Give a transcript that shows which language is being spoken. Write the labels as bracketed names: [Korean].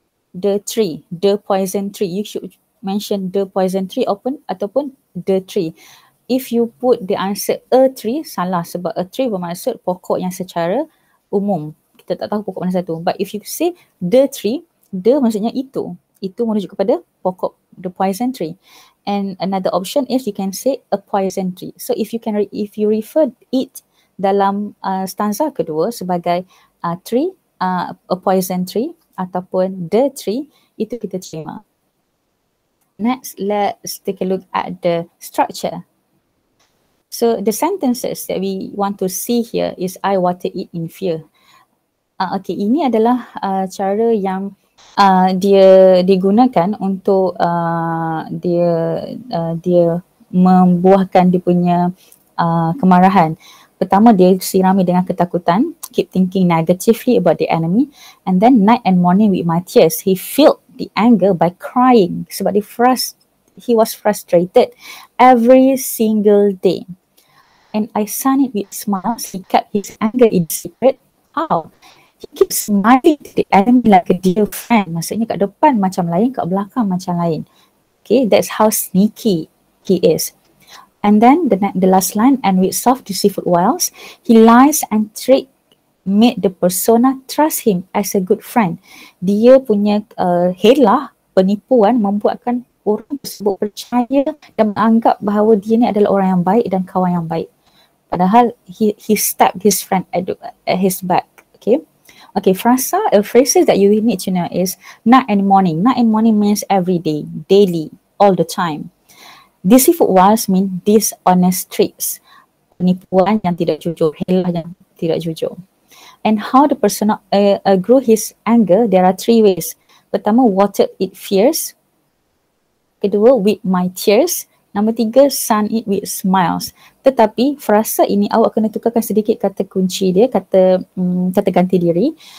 [English] The tree, the poison tree. You should mention the poison tree open ataupun the tree. If you put the answer a tree, [Malay] salah sebab a tree bermaksud pokok yang secara umum. Kita tak tahu pokok mana satu. [English] But if you say the tree, [Malay] the maksudnya itu. Itu merujuk kepada pokok, the poison tree. [English] And another option is you can say a poison tree. So if you can, if you refer it [Malay] dalam stanza kedua sebagai tree, a poison tree ataupun the tree, itu kita terima. [English] Next, let's take a look at the structure. So the sentences that we want to see here is I water it in fear. [Malay] Okay, ini adalah cara yang dia digunakan untuk dia membuahkan dia punya kemarahan. Pertama, dia sirami dengan ketakutan, [English] keep thinking negatively about the enemy. And then night and morning with my tears, he filled the anger by crying. [Malay] Sebab dia [English] he was frustrated every single day. And I sun it with smiles. He kept his anger in secret. How? He keeps smiling to the enemy like a dear friend. [Malay] Maksudnya kat depan macam lain, kat belakang macam lain. [English] Okay, that's how sneaky he is. And then the last line, and with soft deceitful wiles, he lies and trick made the persona trust him as a good friend. [Malay] Dia punya helah, penipuan membuatkan orang tersebut percaya dan menganggap bahawa dia ni adalah orang yang baik dan kawan yang baik. [English] Padahal he stabbed his friend at his back. Okay. Okay, phrases that you need to know is night and morning. Night and morning means every day, daily, all the time. Deceitful wiles mean dishonest tricks. [Malay] Penipuan yang tidak jujur, helah yang tidak jujur. [English] And how the persona grew his anger, there are three ways. [Malay] Pertama, water it fierce. Kedua, with my tears. Nombor tiga, sun it with smiles. Tetapi frasa ini awak kena tukarkan sedikit kata kunci dia, kata ganti diri.